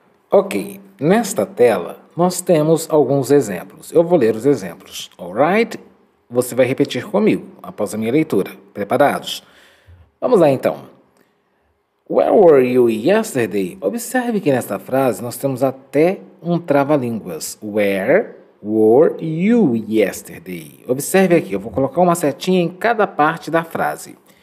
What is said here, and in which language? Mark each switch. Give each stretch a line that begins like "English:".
Portuguese: Ok, nesta tela nós temos alguns exemplos. Eu vou ler os exemplos, alright? Você vai repetir comigo após a minha leitura. Preparados? Vamos lá então.
English: Where were you yesterday?
Portuguese: Observe que nesta frase nós temos até um trava-línguas.
English: Where were you yesterday?
Portuguese: Observe aqui, eu vou colocar uma setinha em cada parte da frase.